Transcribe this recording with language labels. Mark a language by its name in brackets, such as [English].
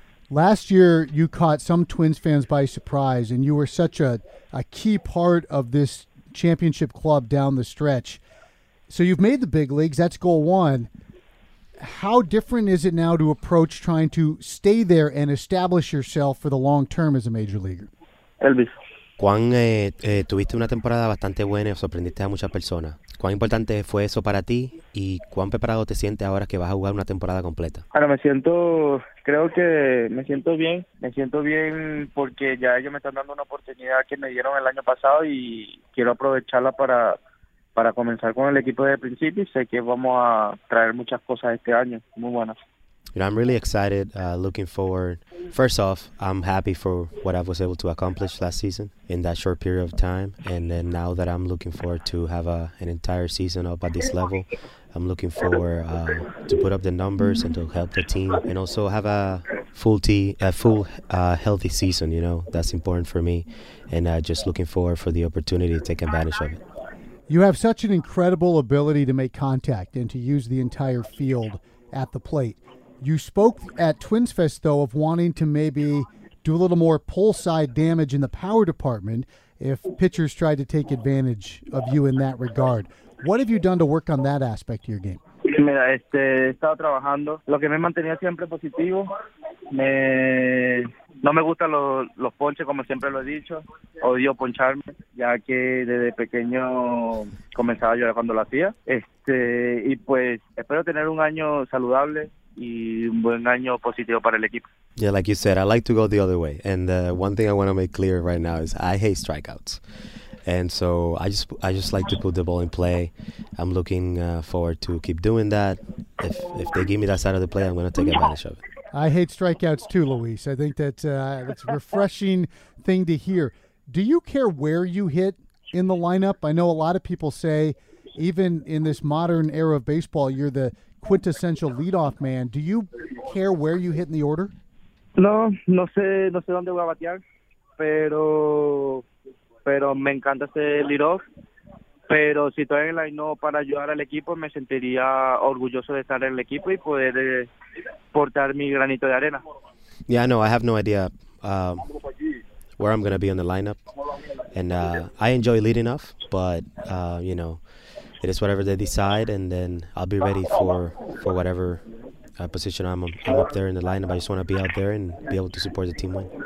[English] Last year, you caught some Twins fans by surprise, and you were such a key part of this championship club down the stretch. So you've made the big leagues. That's goal one. How different is it now to approach trying to stay there and establish yourself for the long term as a major leaguer? Elvis. [Spanish] Juan, tuviste una temporada bastante buena y sorprendiste a muchas personas. ¿Cuán importante fue eso para ti y cuán preparado te sientes ahora que vas a jugar una temporada completa? Bueno, creo que me siento bien. Me siento bien porque ya ellos me están dando una oportunidad que me dieron el año pasado y quiero aprovecharla para comenzar con el equipo desde el principio y sé que vamos a traer muchas cosas este año. Muy buenas. [English] You know, I'm really excited, looking forward. First off, I'm happy for what I was able to accomplish last season in that short period of time. And then now that I'm looking forward to have an entire season up at this level, I'm looking forward to put up the numbers and to help the team and also have a full healthy season, you know. That's important for me. And just looking forward for the opportunity to take advantage of it. You have such an incredible ability to make contact and to use the entire field at the plate. You spoke at Twins Fest, though, of wanting to maybe do a little more pull side damage in the power department if pitchers tried to take advantage of you in that regard. What have you done to work on that aspect of your game? [Spanish] Mira, he estado trabajando. Lo que me mantenía siempre positivo, no me gustan los ponches, como siempre lo he dicho. Odio poncharme, ya que desde pequeño comenzaba a llorar cuando lo hacía. Y pues espero tener un año saludable. [English] Yeah, like you said, I like to go the other way. And one thing I want to make clear right now is I hate strikeouts. And so I just like to put the ball in play. I'm looking forward to keep doing that. If they give me that side of the play, I'm going to take advantage of it. I hate strikeouts too, Luis. I think that it's a refreshing thing to hear. Do you care where you hit in the lineup? I know a lot of people say, even in this modern era of baseball, you're the quintessential leadoff man. Do you care where you hit in the order? [Spanish] No sé dónde voy a batear, pero me encanta ser leadoff. Pero si estoy en el line up para ayudar al equipo, me sentiría orgulloso de estar en el equipo y poder portar mi granito de arena. [English] Yeah, no, I have no idea where I'm going to be on the lineup. And I enjoy leading off, but, you know, it is whatever they decide, and then I'll be ready for whatever position I'm up there in the lineup. I just want to be out there and be able to support the team win.